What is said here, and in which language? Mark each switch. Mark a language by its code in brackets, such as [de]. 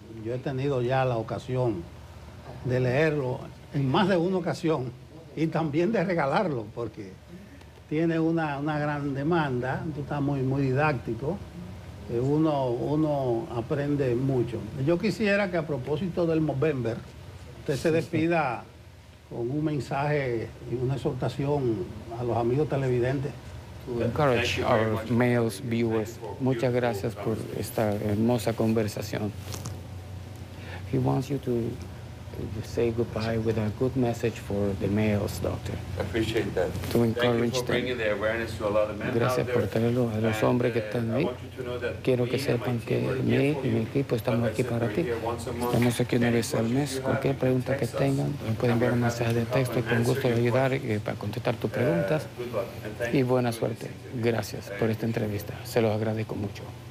[es] Yo he tenido ya la ocasión de leerlo en más de una ocasión y también de regalarlo porque tiene una gran demanda. Tú estás muy, muy didáctico. Uno aprende mucho. Yo quisiera que a propósito del Movember, usted se despida con un mensaje y una exhortación a los amigos televidentes. [en] Encourage our male viewers. [es] Muchas gracias por esta hermosa conversación. [en] He wants you to say goodbye with a good message for the males, doctor. I appreciate that. To encourage them. Bringing the awareness to a lot of men. [es] Gracias por traerlo a los hombres que están ahí. Quiero que sepan que mí y mi equipo estamos aquí para ti. Estamos aquí una vez al mes. Cualquier pregunta que tengan, me pueden enviar un mensaje de texto y con gusto de ayudar para contestar tus preguntas. Y buena suerte. Gracias por esta entrevista. Se los agradezco mucho.